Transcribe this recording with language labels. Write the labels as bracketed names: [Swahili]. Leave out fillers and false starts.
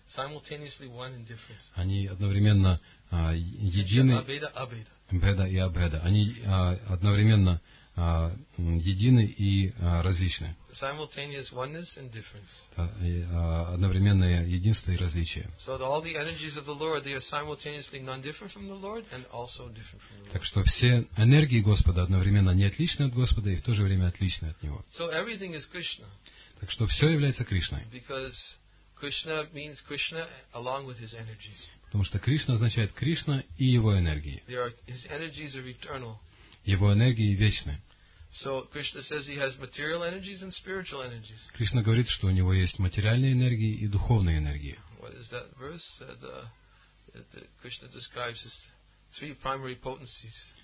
[English] Simultaneously one and different. [Russian] Они одновременно едины. [Sanskrit] Abheda, abheda. Bheda и abheda. [Russian] Они одновременно едины и различны. [English] Simultaneous oneness and difference. [Russian] Одновременное единство и различие. [English] So all the energies of the Lord, they are simultaneously non-different from the Lord and also different from the Lord. [Russian] Так что все энергии Господа одновременно не отличны от Господа и в то же время отличны от Него. [English] So everything is Krishna. [Russian] Так что все является Кришной. [English] Because Krishna means Krishna along with His energies. [Russian] Потому что Кришна означает Кришна и Его энергии. [English] His energies are eternal. [Russian] Его энергии вечны. [English] So Krishna says he has material energies and spiritual energies. [Russian] Кришна говорит, что у него есть материальные энергии и духовные энергии. [English] What is that verse that Krishna describes his three primary potencies?